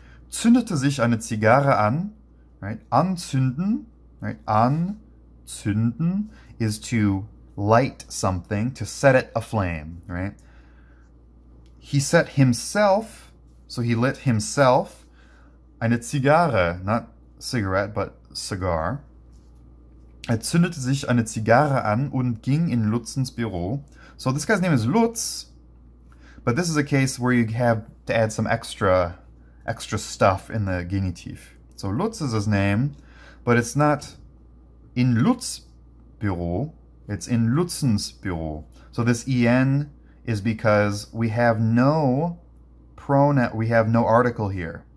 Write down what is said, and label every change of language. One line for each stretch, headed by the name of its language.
German: Zündete sich eine Zigarre an.
English: Right, anzünden, right, anzünden is to light something, to set it aflame, right? He set himself, so he lit himself,
German: eine Zigarre,
English: not cigarette, but cigar.
German: Zündete sich eine Zigarre an und ging in Lutzens Büro.
English: So this guy's name is Lutz, but this is a case where you have to add some extra stuff in the genitive. So Lutz is his name, but it's not in Lutz Büro, it's in Lutzens Büro. So this en is because we have no pronoun, we have no article here.